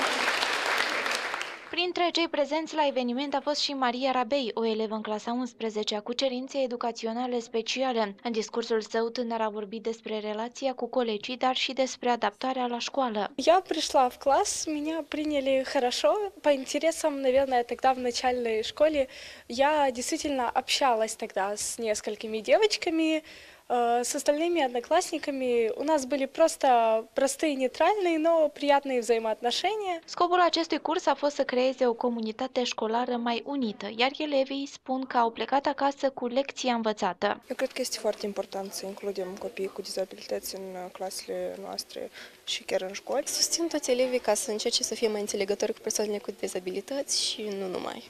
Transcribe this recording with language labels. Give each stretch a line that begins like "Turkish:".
Romanian: 1, 4, 4, 4, 4, 4. Printre cei prezenți la eveniment a fost și Maria Rabei, o elevă în clasa 11-a cu cerințe educaționale speciale. În discursul său, tânăra a vorbit despre relația cu colegii, dar și despre adaptarea la școală.
Russian: Я пришла в класс, меня приняли хорошо, по интересам, наверное, тогда в начальной школе. Я действительно общалась тогда с несколькими девочками, с остальными одноклассниками. У нас были просто простые нейтральные, но приятные взаимоотношения.
Romanian: Scopul acestui curs a fost să creeze o comunitate școlară mai unită, iar elevii spun că au plecat acasă cu lecția învățată. Eu cred că este foarte important să includem copiii cu dizabilități în clasele noastre și chiar în școli. Susțin toți elevii ca să încerce să fie mai înțelegători cu persoanele cu dizabilități și nu numai.